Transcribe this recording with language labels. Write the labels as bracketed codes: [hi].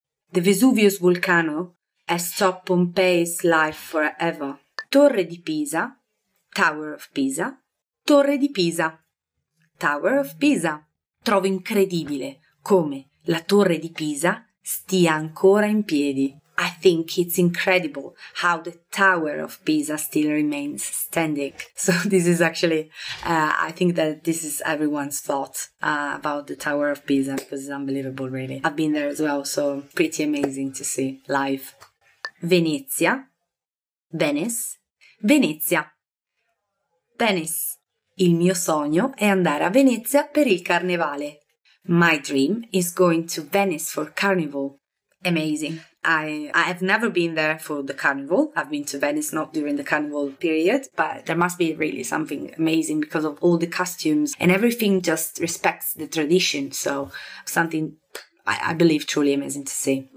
[en] The Vesuvius volcano has stopped Pompei's life forever. Torre di Pisa, Tower of Pisa, Torre di Pisa. Tower of Pisa. [it] Trovo incredibile come la torre di Pisa stia ancora in piedi. [en] I think it's incredible how the Tower of Pisa still remains standing. So this is actually, I think that this is everyone's thought about the Tower of Pisa, because it's unbelievable, really. I've been there as well, so pretty amazing to see live. Venezia, Venice, Venezia, Venice. [it] Il mio sogno è andare a Venezia per il carnevale. [en] My dream is going to Venice for carnival. Amazing. I have never been there for the carnival. I've been to Venice, not during the carnival period, but there must be really something amazing because of all the costumes and everything just respects the tradition. So something I believe truly amazing to see.